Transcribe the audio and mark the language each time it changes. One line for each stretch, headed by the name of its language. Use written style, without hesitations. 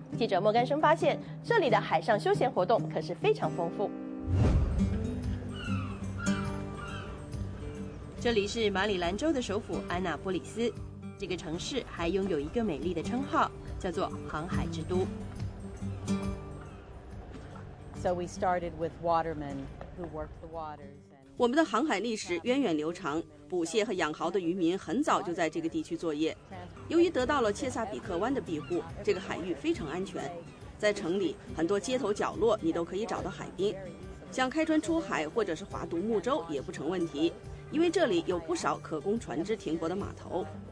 Chinese: 记者莫甘生发现，这里的海上休闲活动可是非常丰富。这里是马里兰州的首府安娜波里斯，这个城市还拥有一个美丽的称号，叫做航海之都。
English: So we started with watermen who worked the waters.
Chinese: 我们的航海历史源远流长，捕蟹和养蚝的渔民很早就在这个地区作业。由于得到了切萨比克湾的庇护，这个海域非常安全。在城里，很多街头角落你都可以找到海滨，想开船出海或者是划独木舟也不成问题，因为这里有不少可供船只停泊的码头。